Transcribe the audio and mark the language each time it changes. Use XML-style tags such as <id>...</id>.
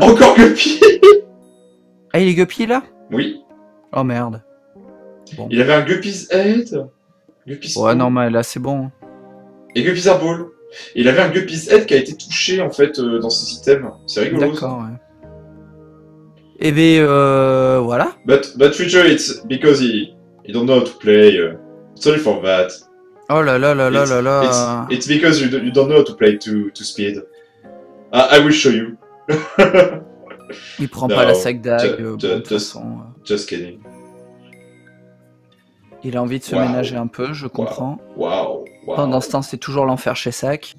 <fr>Encore Guppy. Ah, il est Guppy là? Oui. Oh merde. Bon. Il avait un Guppy's Head. Guppy's Ball. Ouais, non, mais là, c'est bon. Et Guppy's Ball. Il avait un Guppy's Head qui a été touché, en fait, dans ses items. C'est rigolo. D'accord, ouais. Et bien, voilà.</fr> <en>But Future, it's because he don't know how to play. Sorry for that.</en> <fr>Oh là là là là là là.</fr> <en>It's because you don't know how to play to speed. I will show you.</en> <fr>Il prend pas la sac d'ag, de toute façon.</fr> <en>Just kidding.</en> <fr>Il a envie de se ménager un peu, je comprends. Wow. Pendant ce temps, c'est toujours l'enfer chez Sac.</fr>